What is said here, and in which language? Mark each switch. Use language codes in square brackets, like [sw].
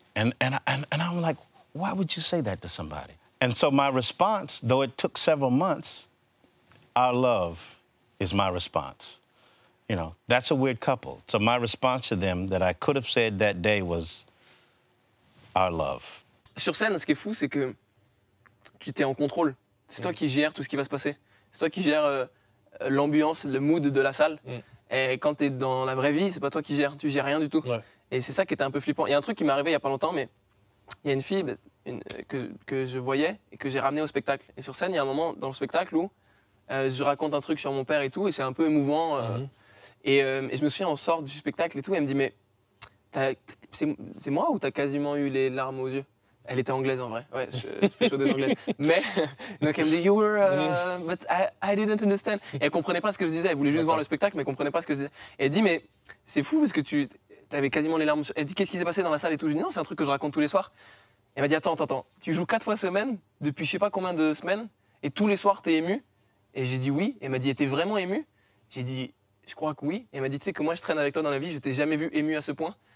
[en] And I'm like, why would you say that to somebody? And so my response, though it took several months, our love is my response. You know, that's a weird couple. So my response to them that I could have said that day was our love. [fr] Sur scène, ce qui est fou, c'est que tu t'es en contrôle. C'est toi qui gères tout ce qui va se passer. C'est toi qui gères l'ambiance, le mood de la salle. Mm. Et quand t'es dans la vraie vie, c'est pas toi qui gères. Tu gères rien du tout. Ouais. Et c'est ça qui était un peu flippant. Il y a un truc qui m'est arrivé il y a pas longtemps, mais il y a une fille que je voyais et que j'ai ramenée au spectacle. Et sur scène, il y a un moment dans le spectacle où je raconte un truc sur mon père et tout, et c'est un peu émouvant. Et je me souviens, on sort du spectacle et tout, et elle me dit, mais c'est moi ou t'as quasiment eu les larmes aux yeux ? Elle était anglaise en vrai, ouais, je suis chaud des anglaises. Mais, donc elle me dit, [en] but I didn't understand. [fr] Et elle comprenait pas ce que je disais, elle voulait juste voir le spectacle, mais elle comprenait pas ce que je disais. Et elle dit, mais c'est fou parce que tu avais quasiment les larmes aux yeux. Elle dit, qu'est-ce qui s'est passé dans la salle et tout ? Je dis, non, c'est un truc que je raconte tous les soirs. Elle m'a dit, attends, tu joues 4 fois semaine depuis je sais pas combien de semaines, et tous les soirs t'es ému ? Et j'ai dit, oui. Elle m'a dit, t'es vraiment ému ? J'ai dit, je crois que oui. Et elle m'a dit, tu sais que moi, je traîne avec toi dans la vie, je t'ai jamais vu ému à ce point.